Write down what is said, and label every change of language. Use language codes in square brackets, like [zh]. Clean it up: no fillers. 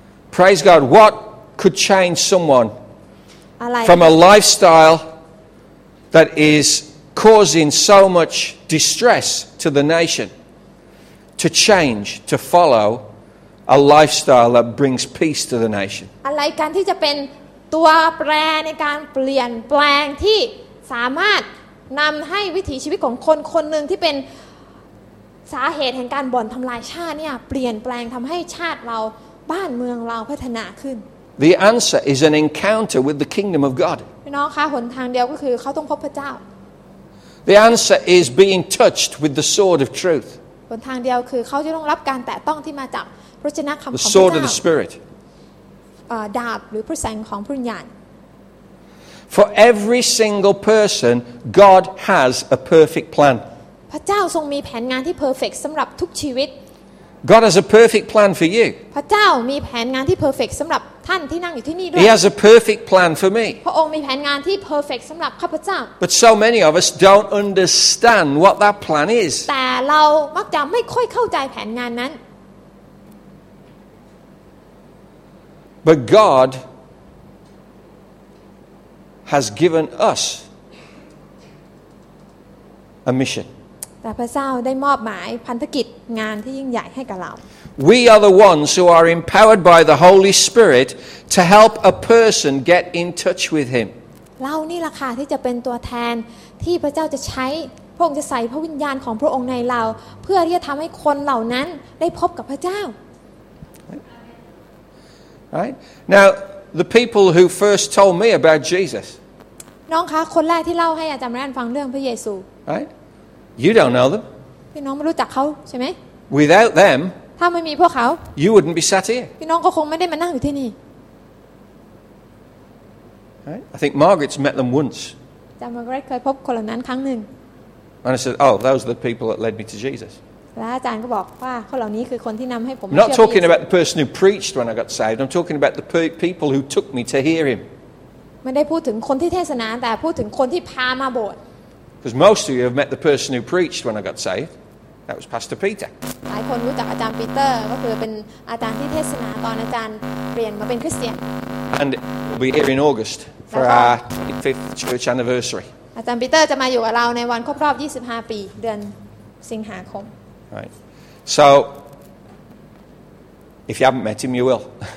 [en] Praise God. What could change someone from a lifestyle that is causing so much distress to the nation to change, to follow a lifestyle that brings peace to the nation? [th] อะไรกันที่จะเป็นตัวแปรในการเปลี่ยนแปลงที่สามารถนำให้วิถีชีวิตของคนคนหนึ่งที่เป็นสาเหตุแห่งการบ่อนทำลายชาติเนี่ยเปลี่ยนแปลงทำให้ชาติเราบ้านเมืองเราพัฒนาขึ้น [en] The answer is an encounter with the kingdom of God. [th] พี่น้องคะหนทางเดียวก็คือเขาต้องพบพระเจ้า [en] The answer is being touched with the sword of truth. [th] หนทางเดียวคือเขาจะต้องรับการแตะต้องที่มาจากพระวจนะของพระเจ้า [en] The sword of the spirit. [th] ดาบหรือพระแสงของพระวิญญาณ [en] For every single person, God has a perfect plan. [th] พระเจ้าทรงมีแผนงานที่ perfect สำหรับทุกชีวิต [en] God has a perfect plan for you. [th] พระเจ้ามีแผนงานที่ perfect สำหรับท่านที่นั่งอยู่ที่นี่ด้วย [en] He has a perfect plan for me. [th] พระองค์มีแผนงานที่ perfect สำหรับข้าพเจ้า [en] But so many of us don't understand what that plan is. [th] แต่เรามักจะไม่ค่อยเข้าใจแผนงานนั้น [en] But GodHas given us a mission. [th] แต่พระเจ้าได้มอบหมายพันธกิจงานที่ยิ่งใหญ่ให้กับเรา [en] We are the ones who are empowered by the Holy Spirit to help a person get in touch with Him. [th] เรานี่ล่ะค่ะที่จะเป็นตัวแทนที่พระเจ้าจะใช้พระองค์จะใส่พระวิญญาณของพระองค์ในเราเพื่อที่จะทำให้คนเหล่านั้นได้พบกับพระเจ้า [en] Right now. The people who first told me about Jesus. [th] น้องคะคนแรกที่เล่าให้อาจารย์แมนฟังเรื่องพระเยซู [en] Right? You don't know them. [th] พี่น้องไม่รู้จักเขาใช่ไหม [en] Without them, [th] ถ้าไม่มีพวกเขา [en] you wouldn't be sat here. [th] พี่น้องก็คงไม่ได้มานั่งอยู่ที่นี่ [en] Right? I think Margaret's met them once. [th] อาจารย์มาร์กาเร็ตเคยพบคนเหล่านั้นครั้งหนึ่ง [en] And I said, oh, those are the people that led me to Jesus. [th] และอาจารย์ก็บอกว่าคนเหล่านี้คือคนที่นำให้ผมเชื่อพ [en] ระ Not talking about the person who preached when I got saved. I'm talking about the people who took me to hear him. [th] ไม่ได้พูดถึงคนที่เทศนาแต่พูดถึงคนที่พามาโบสถ์ [en] Because most of you have met the person who preached when I got saved. That was Pastor Peter. [th] หลายคนรู้จักอาจารย์ปีเตอร์ก็คือเป็นอาจารย์ที่เทศนาตอนอาจารย์เปลี่ยนมาเป็นคริสเตียน [en] And we'll be here in August for our 25th church anniversary. [th] อาจารย์ปีเตอร์จะมาอยู่กับเราในวันครบรอบ25ปีเดือนสิงหาคม [en] Right. So, if you haven't met him, you will.